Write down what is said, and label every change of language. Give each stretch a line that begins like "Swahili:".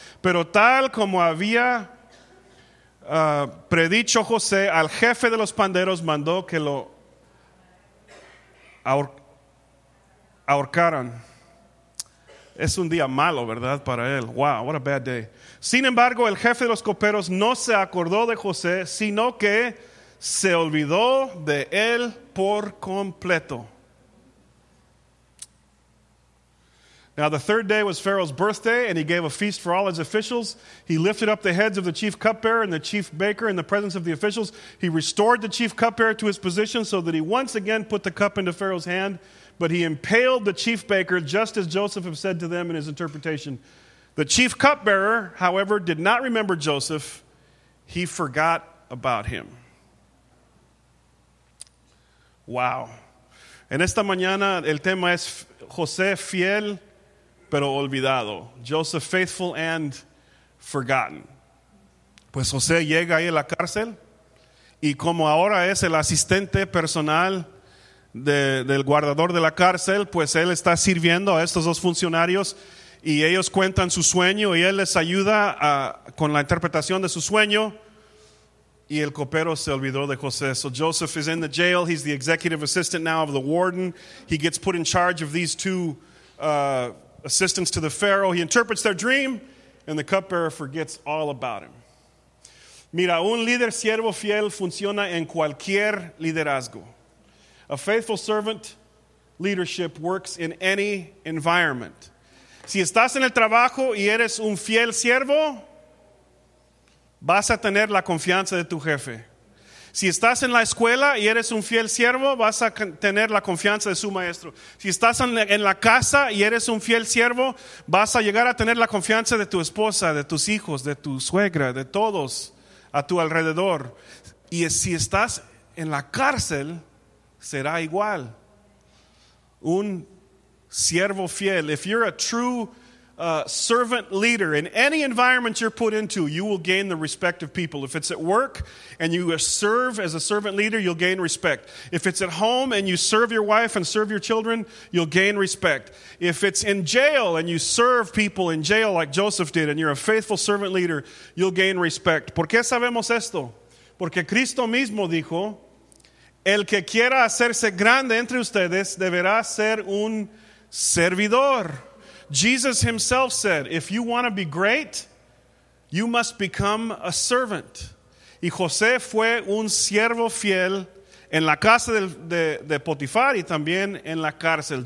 Spanish: Pero tal como había predicho José, al jefe de los panaderos mandó que lo ahorcaron. Es un día malo, ¿verdad? Para él.
English: Wow, what a bad day.
Spanish: Sin embargo, el jefe de los coperos no se acordó de José, sino que se olvidó de él por completo.
English: Now the third day was Pharaoh's birthday, and he gave a feast for all his officials. He lifted up the heads of the chief cupbearer and the chief baker in the presence of the officials. He restored the chief cupbearer to his position so that he once again put the cup into Pharaoh's hand. But he impaled the chief baker just as Joseph had said to them in his interpretation. The chief cupbearer, however, did not remember Joseph. He forgot about him. Wow.
Spanish: En esta mañana el tema es José fiel pero olvidado.
English: Joseph faithful and forgotten.
Spanish: Pues José llega ahí a la cárcel y como ahora es el asistente personal del guardador de la cárcel, pues él está sirviendo a estos dos funcionarios y ellos cuentan su sueño y él les ayuda con la interpretación de su sueño. Y el copero se olvidó de José.
English: So Joseph is in the jail. He's the executive assistant now of the warden. He gets put in charge of these two assistants to the Pharaoh. He interprets their dream, and the cupbearer forgets all about him.
Spanish: Mira, un líder siervo fiel funciona en cualquier liderazgo.
English: A faithful servant leadership works in any environment.
Spanish: Si estás en el trabajo y eres un fiel siervo, vas a tener la confianza de tu jefe. Si estás en la escuela y eres un fiel siervo, vas a tener la confianza de su maestro. Si estás en la casa y eres un fiel siervo, vas a llegar a tener la confianza de tu esposa, de tus hijos, de tu suegra, de todos a tu alrededor. Y si estás en la cárcel, será igual. Un siervo fiel.
English: If you're a true servant leader in any environment you're put into, you will gain the respect of people. If it's at work and you serve as a servant leader, you'll gain respect. If it's at home and you serve your wife and serve your children, you'll gain respect. If it's in jail and you serve people in jail like Joseph did and you're a faithful servant leader, you'll gain respect.
Spanish: ¿Por qué sabemos esto? Porque Cristo mismo dijo, el que quiera hacerse grande entre ustedes deberá ser un servidor.
English: Jesus himself said, if you want to be great, you must become a servant.
Spanish: Y José fue un siervo fiel en la casa de Potifar y también en la cárcel.